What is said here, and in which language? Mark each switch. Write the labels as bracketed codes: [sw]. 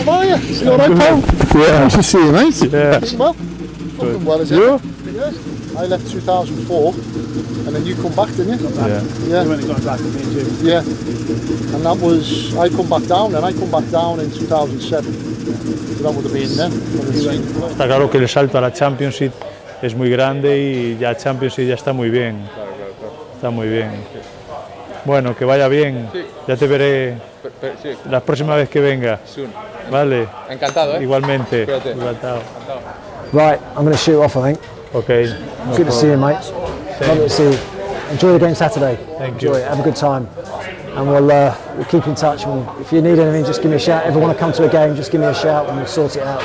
[en] How are you? See you all right, pal? Yeah. Nice to see you, mate. Yeah. Well, good. Fucking well, is it? You? Yes. I left 2004, and then you come back, didn't you? Yeah. You went and got back with me too. Yeah. And that was, I come back down in 2007. [es] Está claro que el salto a la Championship es muy grande y ya Championship ya está muy bien. Está muy bien. Bueno, que vaya bien. Ya te veré la próxima vez que venga. Vale. Encantado, ¿eh? Igualmente. Encantado. [en] Right, I'm going to shoot off, I think. Okay. No good problem. To see you, mate. Same. Lovely to see you. Enjoy the game Saturday. Thank Enjoy you. It. Have a good time. And we'll keep in touch. And if you need anything, just give me a shout. If you want to come to a game, just give me a shout and we'll sort it out.